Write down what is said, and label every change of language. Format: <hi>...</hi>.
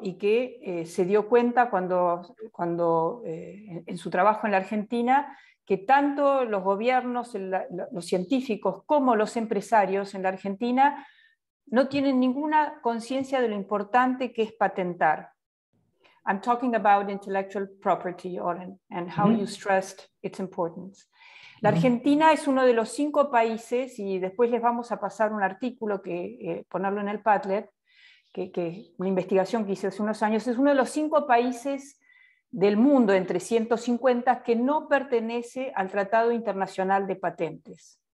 <es>Y que se dio cuenta cuando en su trabajo en la Argentina, que tanto los gobiernos, los científicos, como los empresarios en la Argentina no tienen ninguna conciencia de lo importante que es patentar.</es> <en>I'm talking about intellectual property, Oren, and how you stressed its importance.</en> <es>La Argentina es uno de los 5 países, y después les vamos a pasar un artículo, que ponerlo en el Padlet, que una investigación que hice hace unos años, es uno de los 5 países del mundo, entre 150, que no pertenece al Tratado Internacional de Patentes.</es>